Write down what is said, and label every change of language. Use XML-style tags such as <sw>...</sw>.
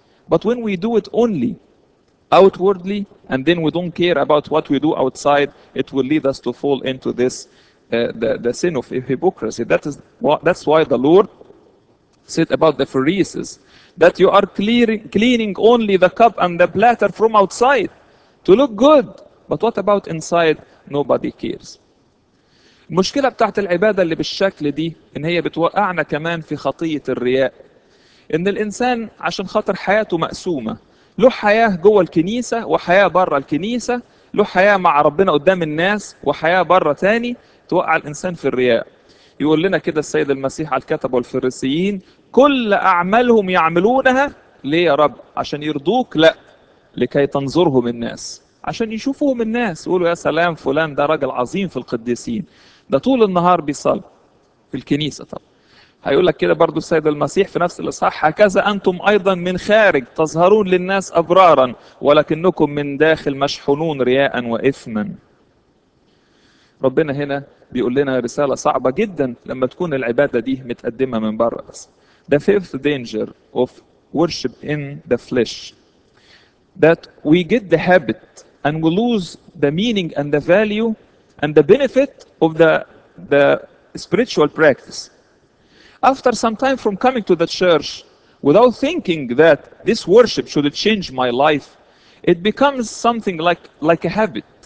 <en>But when we do it only outwardly and then we don't care about what we do outside, it will lead us to fall into this, the sin of hypocrisy. That's why the Lord said about the Pharisees, that you are cleaning only the cup and the platter from outside to look good. But what about inside? Nobody cares.</en> <ar>المشكلة بتاعت العبادة اللي بالشكل دي ان هي بتوقعنا كمان في خطية الرياء. ان الانسان عشان خاطر حياته مقسومة. له حياة جوه الكنيسة وحياة برة الكنيسة. له حياة مع ربنا قدام الناس وحياة برة تاني. توقع الانسان في الرياء. يقول لنا كده السيد المسيح على الكتبة والفريسيين، كل أعمالهم يعملونها ليه يا رب؟ عشان يرضوك؟ لا، لكي تنظرهم الناس، عشان يشوفوهم الناس يقولوا يا سلام فلان ده رجل عظيم في القديسين، ده طول النهار بيصلي في الكنيسة. طب هيقول لك كده برضو السيد المسيح في نفس الإصحاح، هكذا أنتم أيضا من خارج تظهرون للناس أبرارا ولكنكم من داخل مشحونون رياء وإثما. ربنا هنا بيقول لنا رسالة صعبة جدا لما تكون العبادة دي متقدمة من بره.</ar> <en>The fifth danger of worship in the flesh, that we get the habit and we lose the meaning and the value and the benefit of the spiritual practice. After some time from coming to the church without thinking that this worship should change my life, it becomes something like a habit.</en>